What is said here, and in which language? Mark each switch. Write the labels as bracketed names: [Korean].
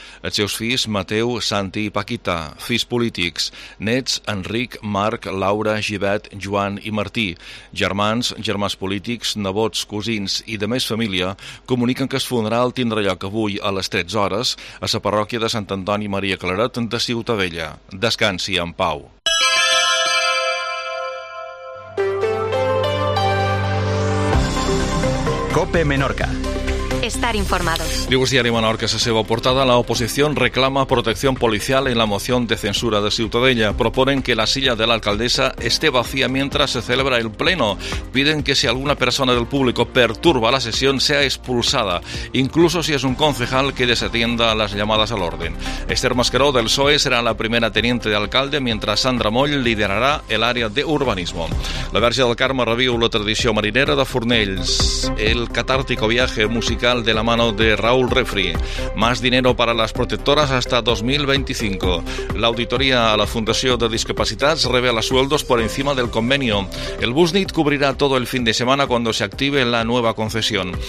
[Catalan] Els seus fills, Mateu, Santi i Paquita, fills polítics, nets, Enric, Marc, Laura, Givet, Joan i Martí, germans, germans polítics, nebots, cosins i de més família, comuniquen que es funeral tindrà lloc avui a les 13 hores a la parròquia de Sant Antoni Maria Claret de Ciutadella. Descansi en pau. COPE Menorca. [Spanish] Estar informados. [Catalan] Dibuix Diari Menorca, la seva portada. [Spanish] La oposición reclama protección policial en la moción de censura de Ciutadella. Proponen que la silla de la alcaldesa esté vacía mientras se celebra el pleno. Piden que si alguna persona del público perturba la sesión sea expulsada, incluso si es un concejal que desatienda las llamadas al orden. Esther Mascaró del PSOE será la primera teniente de alcalde mientras Sandra Moll liderará el área de urbanismo. [Catalan] La Verge del Carme reviu la tradició marinera de Fornells. [Spanish] El catártico viaje musical de la mano de Raúl Refri. Más dinero para las protectoras hasta 2025. La auditoría a la Fundación de Discapacitats revela sueldos por encima del convenio. El Busnit cubrirá todo el fin de semana cuando se active la nueva concesión.